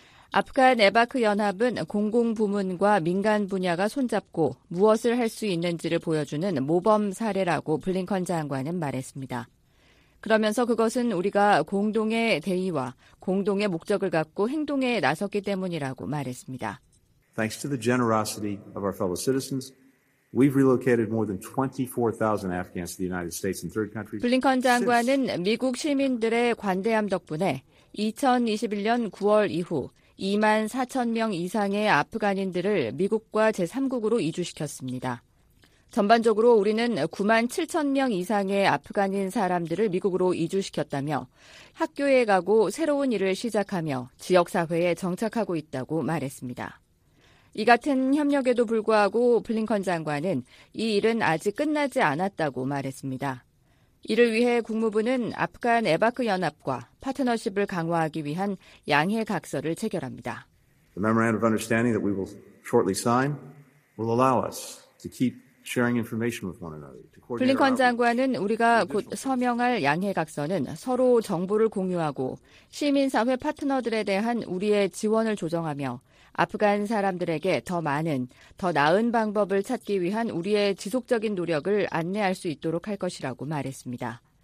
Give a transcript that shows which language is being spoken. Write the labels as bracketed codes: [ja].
[ko] 아프간 에바크 연합은 공공부문과 민간 분야가 손잡고 무엇을 할 수 있는지를 보여주는 모범 사례라고 블링컨 장관은 말했습니다. 그러면서 그것은 우리가 공동의 대의와 공동의 목적을 갖고 행동에 나섰기 때문이라고 말했습니다. [en] Thanks to the generosity of our fellow citizens, we've relocated more than 24,000 Afghans to the United States and third countries. [ko] 블링컨 장관은 미국 시민들의 관대함 덕분에 2021년 9월 이후 2만 4천 명 이상의 아프간인들을 미국과 제3국으로 이주시켰습니다. 전반적으로 우리는 9만 7천 명 이상의 아프간인 사람들을 미국으로 이주시켰다며 학교에 가고 새로운 일을 시작하며 지역사회에 정착하고 있다고 말했습니다. 이 같은 협력에도 불구하고 블링컨 장관은 이 일은 아직 끝나지 않았다고 말했습니다. 이를 위해 국무부는 아프간 에바크 연합과 파트너십을 강화하기 위한 양해 각서를 체결합니다. [en] The memorandum of understanding that we will shortly sign will allow us to keep sharing information with one another. [ko] 블링컨 장관은 우리가 곧 서명할 양해 각서는 서로 정보를 공유하고 시민사회 파트너들에 대한 우리의 지원을 조정하며 아프간 사람들에게 더 많은, 더 나은 방법을 찾기 위한 우리의 지속적인 노력을 안내할 수 있도록 할 것이라고 말했습니다.